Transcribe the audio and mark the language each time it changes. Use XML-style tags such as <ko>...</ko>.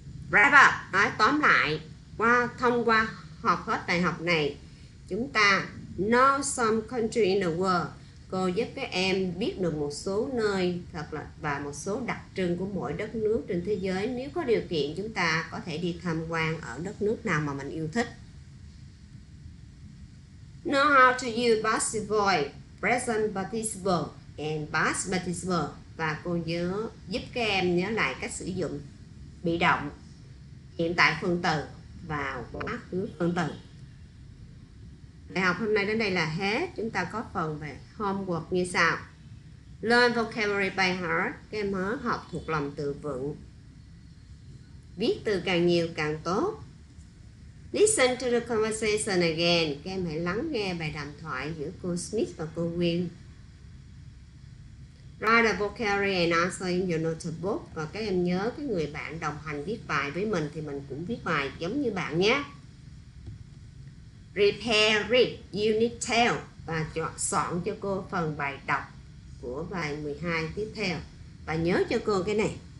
<en>Wrap up.</en> <vi>Nói tóm lại, qua thông qua học hết bài học này, chúng ta</vi> <en>know some country in the world.</en> <vi>Cô giúp các em biết được một số nơi thật là và một số đặc trưng của mỗi đất nước trên thế giới. Nếu có điều kiện, chúng ta có thể đi tham quan ở đất nước nào mà mình yêu thích.</vi> <en>Know how to use passive voice, present participle and past participle.</en> <vi>Và cô nhớ giúp các em nhớ lại cách sử dụng bị động, hiện tại phân từ và quá khứ phân từ. Bài học hôm nay đến đây là hết. Chúng ta có phần về homework như sau.</vi> <en>Learn vocabulary by heart.</en> <vi>Các em mới học thuộc lòng từ vựng. Viết từ càng nhiều càng tốt.</vi> <en>Listen to the conversation again.</en> <vi>Các em hãy lắng nghe bài đàm thoại giữa cô Smith và cô Nguyên.</vi> <en>Write a vocabulary and answer in your notebook.</en> <vi>Và các em nhớ cái người bạn đồng hành viết bài với mình thì mình cũng viết bài giống như bạn nhé.</vi> <en>Prepare it, unit 10.</en> <vi>Và soạn cho cô phần bài đọc của bài 12 tiếp theo. Và nhớ cho cô cái này.</vi>